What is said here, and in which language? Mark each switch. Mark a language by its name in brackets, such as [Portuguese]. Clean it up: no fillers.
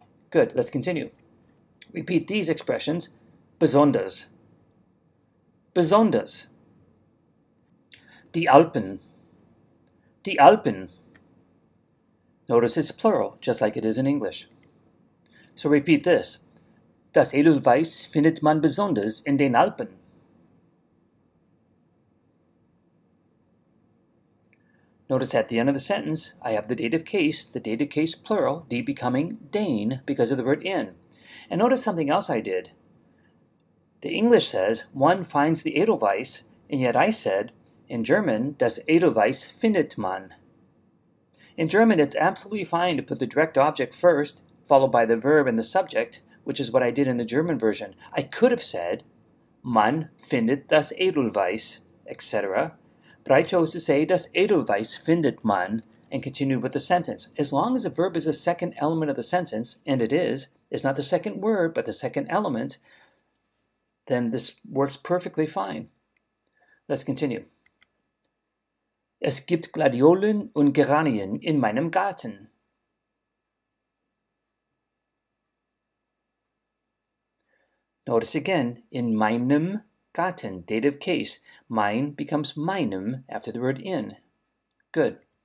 [English] Good, let's continue. Repeat these expressions. [German] Besonders. Besonders. Die Alpen. Die Alpen. [English] Notice it's plural, just like it is in English. So repeat this. [German] Das Edelweiß findet man besonders in den Alpen. [English] Notice at the end of the sentence, I have the dative case plural, D becoming den because of the word in. And notice something else I did. The English says, one finds the Edelweiss, and yet I said, in German, [German] das Edelweiss findet man. [English] In German, it's absolutely fine to put the direct object first, followed by the verb and the subject, which is what I did in the German version. I could have said, [German] man findet das Edelweiss, [English] etc., But I chose to say [German] das Edelweiss findet man [English] and continued with the sentence. As long as the verb is the second element of the sentence, and it is, it's not the second word, but the second element, then this works perfectly fine. Let's continue. [German] Es gibt Gladiolen und Geranien in meinem Garten. [English] Notice again, [German] in meinem Garten, [English] dative case, mein becomes meinem after the word in. Good.